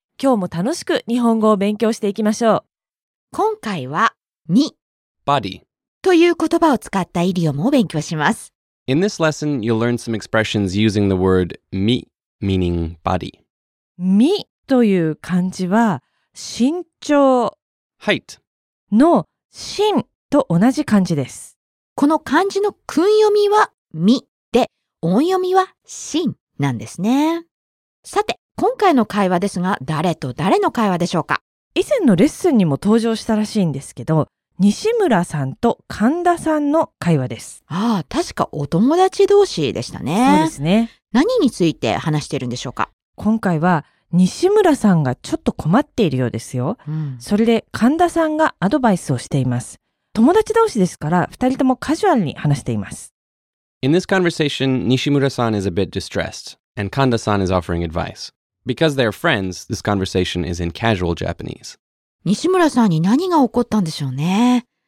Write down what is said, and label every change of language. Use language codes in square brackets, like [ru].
[ja] 今日も楽しく日本語を勉強していきましょう。今回は、に、 [en] body [ja] という言葉を使ったイディオムを勉強します。 [en] In this lesson, you'll learn some expressions using the word み, meaning body. [ja] みという漢字は、身長、 [en] height [ja] の身と同じ漢字です。この漢字の訓読みはみで、音読みは身なんですね。さて、今回の会話ですが、誰と誰の会話でしょうか。以前のレッスンにも登場したらしいんですけど、西村さんと神田さんの会話です。ああ、確かお友達同士でしたね。そうですね。何について話してるんでしょうか。今回は、西村さんがちょっと困っているようですよ、うん、それで神田さんがアドバイスをしています。友達同士ですから二人ともカジュアルに話しています。 [en] In this conversation, 西村さん is a bit distressed and 神田さん is offering advice. Because they're friends, this conversation is in casual Japanese. [ja] 西村さんに何が起こったんでしょうね。